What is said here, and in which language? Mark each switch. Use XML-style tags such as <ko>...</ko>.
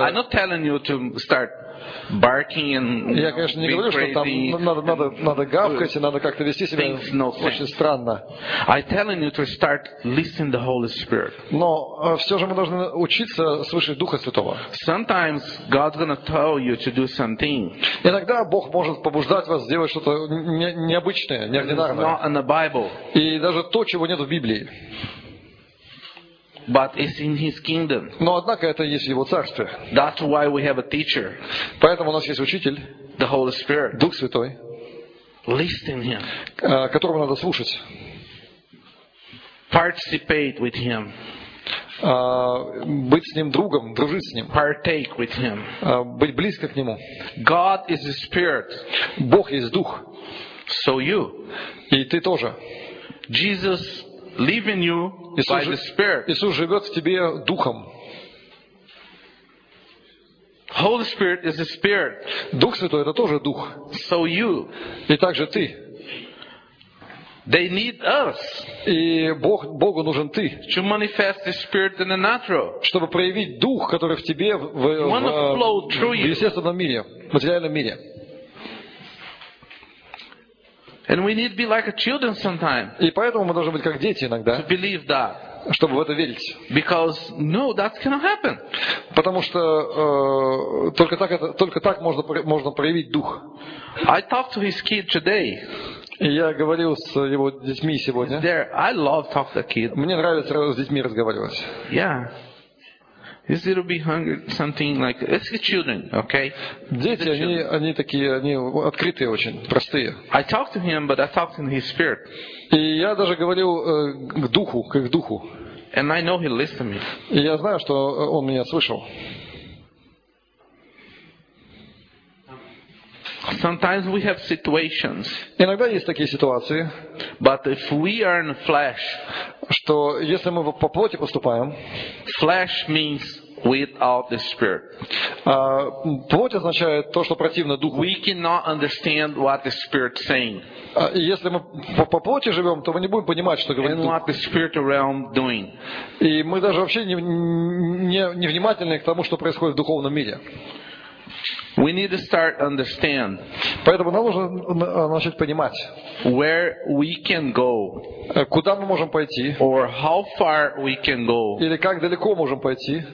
<en>I'm not telling you to start barking and</en> <ru>я, конечно, не говорю, что там надо гавкать и надо как-то вести себя очень странно.</ru> <en>I'm telling you to start listening to the Holy Spirit.</en> <ru>Но все же мы должны учиться слышать Духа Святого.</ru> <en>Sometimes God's gonna tell you to do something.</en> <ru>Иногда Бог может побуждать вас сделать что-то необычное, неординарное.</ru> <en>It's not in the Bible.</en> <ru>И даже то, чего нет в Библии.</ru> <en>But it's in His kingdom.</en> <ru>Но однако это есть в Его царстве.</ru> <en>That's why we have a teacher.</en> <ru>Поэтому у нас есть учитель.</ru> <en>The Holy Spirit.</en> <ru>Дух Святой.</ru> <en>Listen to Him.</en> <ru>Которого надо слушать.</ru> <en>Participate with Him.</en> <ru>Быть с ним другом, дружить с ним.</ru> <en>Partake with Him.</en> <ru>Быть близко к нему.</ru> <en>God is the Spirit.</en> <ru>Бог есть Дух.</ru> <en>So you.</en> <ru>И ты тоже.</ru> <en>Jesus. Living you by the Spirit.</en> <ru>Иисус живет в тебе духом.</ru> <en>Holy Spirit is the Spirit.</en> <ru>Дух Святой это тоже дух.</ru> <en>So you.</en> <ru>И также ты.</ru> <en>They need us.</en> <ru>И Богу нужен ты.</ru> <en>To manifest the Spirit in the natural.</en> <ru>Чтобы проявить дух, который в тебе в естественном мире, в материальном мире.</ru> <en>And we need to be like a children sometimes.</en> <ru>И поэтому мы должны быть как дети иногда.</ru> <en>To believe that.</en> <ru>Чтобы в это верить.</ru> <en>Because no, that cannot happen.</en> <ru>Потому что только так можно проявить дух.</ru> <en>I talked to his kid today.</en> <ru>Я говорил с его детьми сегодня.</ru> <en>He's there. I love talk to the kid.</en> <ru>Мне нравится с детьми разговаривать.</ru> <en>Yeah. His little be hungry something like it's the children, okay?</en> <ru>Дети, они такие, они открытые очень, простые.</ru> <en>I talked to him, but I talked in his spirit.</en> <ru>И я даже говорил к духу, как к духу.</ru> <en>And I know he listened to me.</en> <ru>И я знаю, что он меня слышал.</ru> <en>Sometimes we have situations.</en> <ru>Иногда есть такие ситуации.</ru> <en>But if we are in flesh,</en> <ru>что если мы по плоти поступаем,</ru> <en>flesh means without the spirit.</en> <ru>Плоть означает то, что противно духу.</ru> <en>We cannot understand what the spirit is saying.</en> <ru>Если мы по плоти живем, то мы не будем понимать, что говорит дух.</ru> <en>And what the spirit realm doing.</en> <ru>И мы даже вообще не внимательны к тому, что происходит в духовном мире.</ru> <en>We need to start understand.</en> <ru>Поэтому нам нужно начать понимать.</ru> <en>Where we can go.</en> <ru>Куда мы можем пойти?</ru> <en>Or how far we can go.</en> <ru>Или как далеко можем пойти?</ru>